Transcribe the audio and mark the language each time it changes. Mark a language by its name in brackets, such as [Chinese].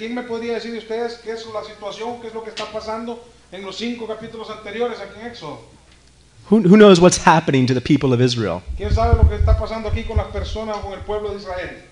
[Spanish] ¿Quién me podría decir ustedes qué es la situación, qué es lo que está pasando en los cinco capítulos anteriores aquí en Éxodo? [English] Who knows what's happening to the people of Israel? [Spanish] ¿Quién sabe lo que está pasando aquí con las personas, con el pueblo de Israel?